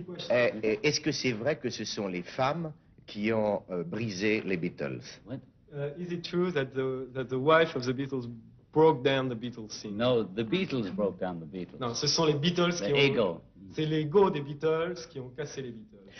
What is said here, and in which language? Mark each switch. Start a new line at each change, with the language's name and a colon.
French: Est-ce que c'est vrai que ce sont les femmes qui ont brisé les Beatles?
English: Is it true that the wife of the Beatles broke down the Beatles scene? No, the Beatles broke down the Beatles.
French: Non, ce sont les Beatles
English: the ego.
French: Ont. C'est l'ego des Beatles qui ont cassé les Beatles.